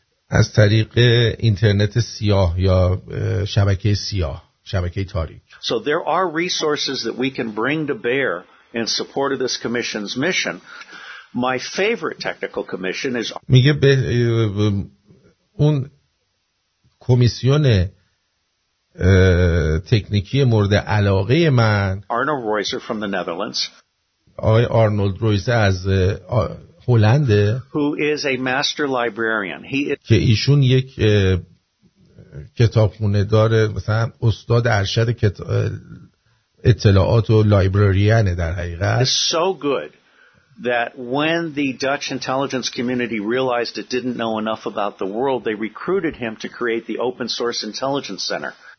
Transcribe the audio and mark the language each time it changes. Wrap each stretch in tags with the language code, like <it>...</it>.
<fa>از طریق اینترنت سیاه یا شبکه سیاه، شبکه تاریک.</fa> <en>So there are resources that we can bring to bear in support of this commission's mission. My favorite technical commission is...</en> <fa>میگه به اون کمیسیون تکنیکی مورد علاقه من</fa> <en>Arnold Reuser from the Netherlands.</en> <fa>آقای آرنولد رویزه از هلند</fa> <en>Who is a master librarian. He is...</en> <fa>که ایشون یک کتابخونه داره مثلا استاد ارشد اطلاعات و لایبرریانه در حقیقت</fa> <en>is so good that when the Dutch intelligence community realized it didn't know enough about the world they recruited him to create the open source intelligence center</en>